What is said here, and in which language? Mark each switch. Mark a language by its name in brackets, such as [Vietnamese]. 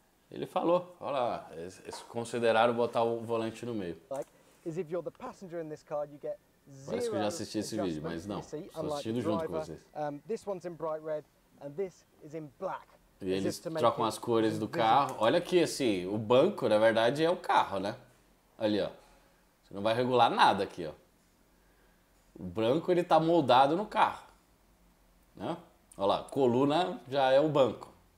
[Portuguese] Ele falou, olha lá, eles consideraram botar o volante no meio. Parece que eu já assisti esse vídeo, mas não, estou assistindo junto com vocês. [English] This one's in bright red and this is in black. [Portuguese] E eles trocam as cores do carro. Olha aqui, assim, o banco, na verdade, é o carro, né? Ali, ó. Você não vai regular nada aqui, ó. O branco, ele tá moldado no carro. Né? Olha lá, coluna já é o banco.